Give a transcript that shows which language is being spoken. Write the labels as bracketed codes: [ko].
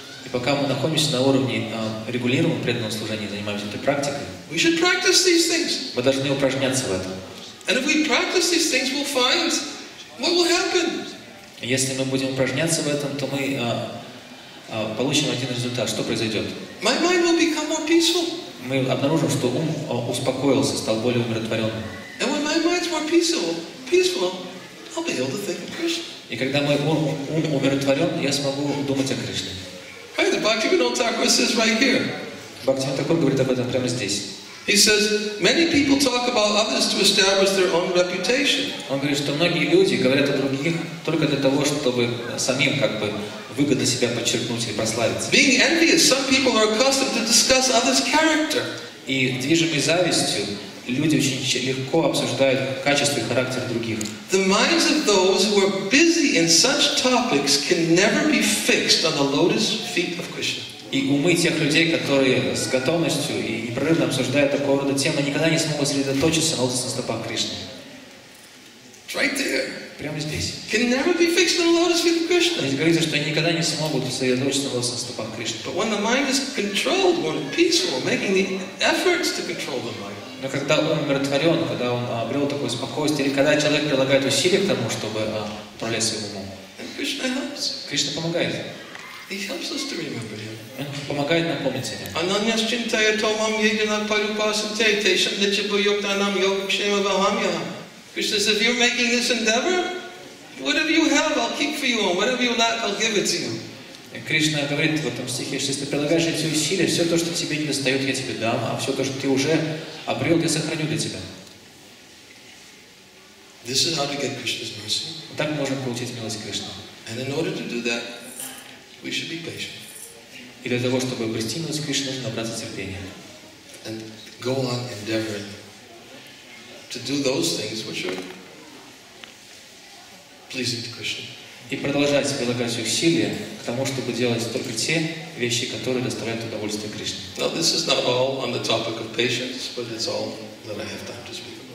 [ru] и пока мы находимся на уровне регулированного преданного служения, занимаемся этой практикой, [en] we should practice these things. [ru] Мы должны упражняться в этом. [en] And if we practice these things, we'll find what will happen. [ru] Если мы будем упражняться в этом, то мы получим один результат. Что произойдет? [en] My mind will become more peaceful. [ru] Мы обнаружим, что ум успокоился, стал более умиротворенным. [en] And when my mind's more peaceful, I'll be able to think of Krishna. [ru] И когда мой ум умиротворен, я смогу думать о Кришне. [en] Hey, the Bhaktivinoda Thakur says right here. [ru] Бхактивинода Такур говорит об этом прямо здесь. [en] He says many people talk about others to establish their own reputation. [ru] Он говорит, что многие люди говорят о других только для того, чтобы самим как бы выгодно себя подчеркнуть и прославиться. [en] Being envious, some people are accustomed to discuss others' character. [ru] И движимой завистью люди очень легко обсуждают качества и характер других. [en] The minds of those who are busy in such topics can never be fixed on the lotus feet of Krishna. [ru] И умы тех людей, которые с готовностью и непрерывно обсуждают такого рода темы, никогда не смогут сосредоточиться на лотосных стопах Кришны. [en] It's right there. [ru] Прямо здесь. [en] Can never be fixed on the lotus feet of Krishna. [ru] Здесь говорится, что они никогда не смогут сосредоточиться на лотосных стопах Кришны. [en] But when the mind is controlled, when it's peaceful, making the efforts to control the mind. [ru] Но когда ум умиротворен, когда он обрел такое спокойствие, или когда человек прилагает усилия к тому, чтобы управлять своим умом, Кришна помогает. [en] He helps us to remember him. [ru] Помогает нам помнить его. [sa] Ананьяс чинтая томам йегина парупасате тешам нечибу йогданам йогакшема бахамья. [en] Krishna says, if you're making this endeavor, whatever you have, I'll keep for you, and whatever you lack, I'll give it to you. [ru] Кришна говорит в этом стихе, что если ты прилагаешь эти усилия, все то, что тебе не достает, я тебе дам, а все то, что ты уже обрел, я сохраню для тебя. [en] This is how to get Krishna's mercy. [ru] Так мы можем получить милость Кришны. [en] And in order to do that, we should be patient. [ru] И для того, чтобы обрести милость Кришны, нужно набраться терпения. [en] And go on endeavoring to do those things which are pleasing to Krishna. [ru] И продолжать прилагать усилия к тому, чтобы делать только те вещи, которые доставляют удовольствие Кришне. [en] Now this is not all on the topic of patience, but it's all that I have time to speak about.